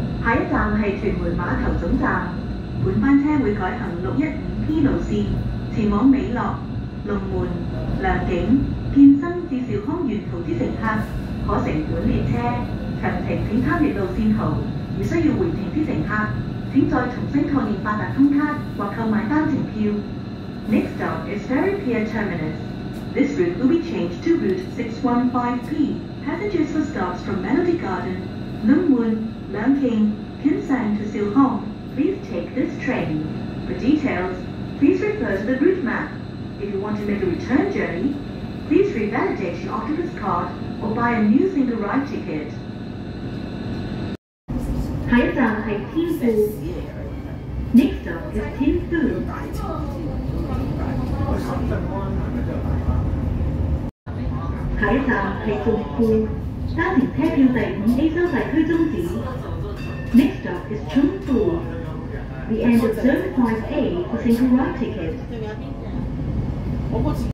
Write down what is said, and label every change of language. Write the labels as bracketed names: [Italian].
[Cantonese] 下一站是屯門碼頭總站，本班車會改行 615P 路線，前往美樂、龍門、良景、建新至兆康沿途之乘客可乘本列車，詳情請參閱路線圖，而需要回程之乘客請再重新確認八達通卡或購買單程票。 [English] Next stop is Ferry Pier Terminus. This route will be changed to route 615P. Passengers for stops from Melody Garden, 龍門、Lang King, Kinsan to Seal Hong, please take this train. For details, please refer to the route map. If you want to make a return journey, please revalidate your Octopus card or buy a new single ride ticket. [Cantonese] 下一站是天富。 [English] Next stop is [Cantonese] 天富。下一站是中富。搭乘车票第五 A 收费区终止。 [English] Next stop is Chung Fu. The end of Zone 5A for single ride ticket.